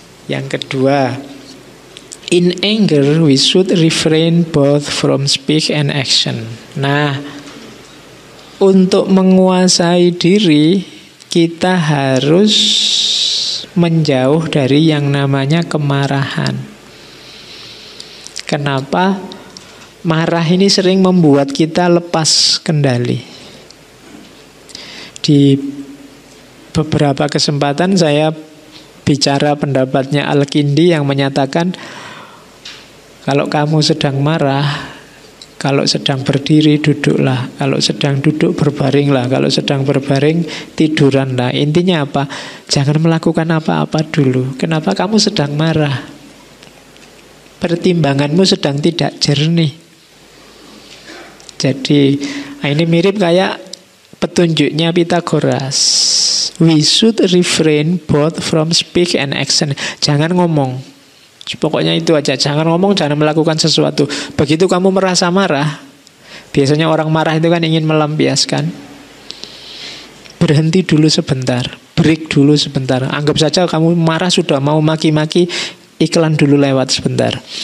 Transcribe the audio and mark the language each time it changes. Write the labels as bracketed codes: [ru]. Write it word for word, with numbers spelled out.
[id] Yang kedua, [en] in anger, we should refrain both from speech and action. [id] Nah, untuk menguasai diri, kita harus menjauh dari yang namanya kemarahan. Kenapa? Marah ini sering membuat kita lepas kendali. Di beberapa kesempatan saya bicara pendapatnya Al-Kindi yang menyatakan, kalau kamu sedang marah, kalau sedang berdiri duduklah, kalau sedang duduk berbaringlah, kalau sedang berbaring tiduranlah. Intinya apa? Jangan melakukan apa-apa dulu. Kenapa? Kamu sedang marah. Pertimbanganmu sedang tidak jernih. Jadi ini mirip kayak petunjuknya Pythagoras. [en] We should refrain both from speech and action. [id] Jangan ngomong. Pokoknya itu aja, jangan ngomong, jangan melakukan sesuatu. Begitu kamu merasa marah, biasanya orang marah itu kan ingin melampiaskan. Berhenti dulu sebentar, break dulu sebentar. Anggap saja kamu marah sudah mau maki-maki, iklan dulu lewat sebentar.